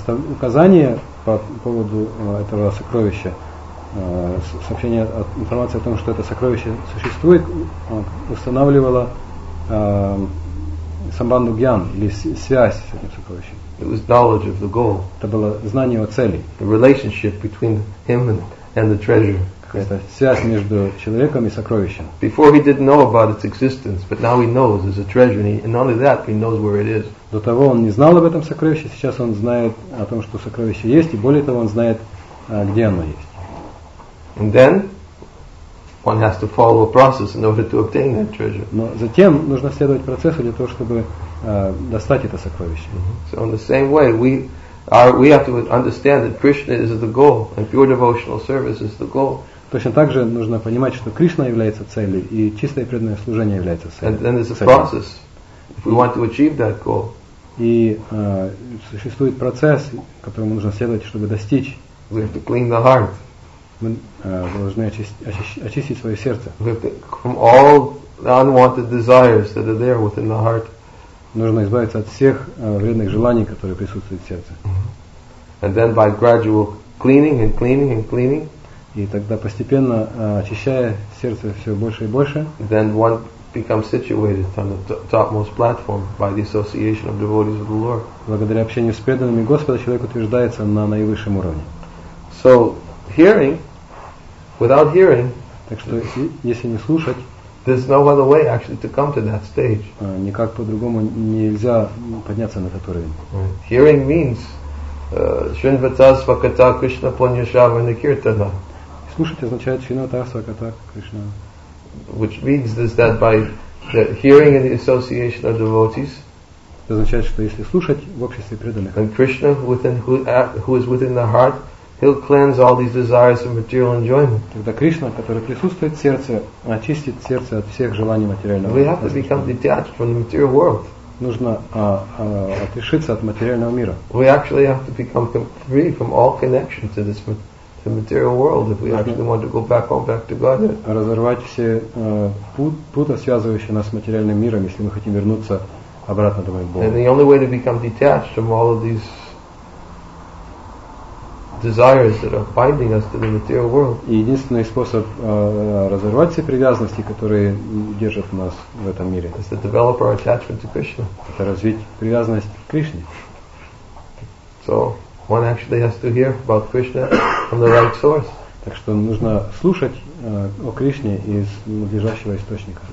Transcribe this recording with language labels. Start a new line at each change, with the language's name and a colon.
Russian: Указание по поводу этого сокровища, сообщение информации о том, что это сокровище существует, устанавливало самбанду гьян или связь с этим сокровищем.
English: It was knowledge of the goal.
Russian: Это было знание о цели.
English: The relationship between him and the treasure.
Russian: Какая-то связь между человеком и сокровищем.
English: Before he didn't know about its existence, but now he knows there's a treasure, and not only that, he knows where it is.
Russian: До того он не знал об этом сокровище, сейчас он знает о том, что сокровище есть, и более того, он знает, где оно есть.
English: And then one has to follow a process in order to obtain that treasure.
Russian: Но затем нужно следовать процессу для того, чтобы достать это сокровище.
English: So in the same way, we have to understand that Krishna is the goal, and pure devotional service is the goal.
Russian: Точно так же нужно понимать, что Кришна является целью, и чистое преданное служение является целью.
English: And then there's a process if we want to achieve that goal.
Russian: И существует процесс, которому нужно следовать, чтобы достичь.
English: We have to clean the heart.
Russian: Мы должны очистить свое сердце.
English: From all the unwanted desires that are there within the heart.
Russian: Нужно избавиться от всех вредных желаний, которые присутствуют в сердце.
English: And then by gradual cleaning and cleaning and cleaning.
Russian: И тогда постепенно очищая сердце все больше и больше.
English: Then one becomes situated on the topmost platform by the association of devotees of the Lord.
Russian: Благодаря общению с преданными Господа человек утверждается на наивысшем уровне.
English: So hearing, without hearing,
Russian: так что если не слушать,
English: there's no other way actually to come to that stage.
Russian: Никак по-другому нельзя подняться на этот уровень.
English: Right. Hearing means Shrinivatasva Katha Krishna Punyashravana Kirtana.
Russian: Слушать означает Shrinivatasva Katha Krishna.
English: Which means is that by the hearing in the association of devotees.
Russian: Это означает, что если слушать в обществе преданных.
English: And Krishna within who is within the heart. He'll cleanse all these desires of material enjoyment.
Russian: Тогда Кришна, который присутствует в сердце, очистит сердце от всех желаний материального.
English: We have to become detached from the material world.
Russian: Нужно отрешиться от материального мира.
English: We actually have to become free from all connection to this to material world if we actually want to go back to Godhead.
Russian: Разорвать все путы, связывающие нас с материальным миром, если мы хотим вернуться обратно домой к Богу.
English: And the only way to become detached from all of these desires that are binding us to the material world.
Russian: И единственный способ разорвать все привязанности, которые держат нас в этом мире.
English: Is to develop our attachment to Krishna.
Russian: Это развить привязанность к Кришне.
English: So one actually has to hear about Krishna from the right source.
Russian: Так что нужно слушать о Кришне из надлежащего источника.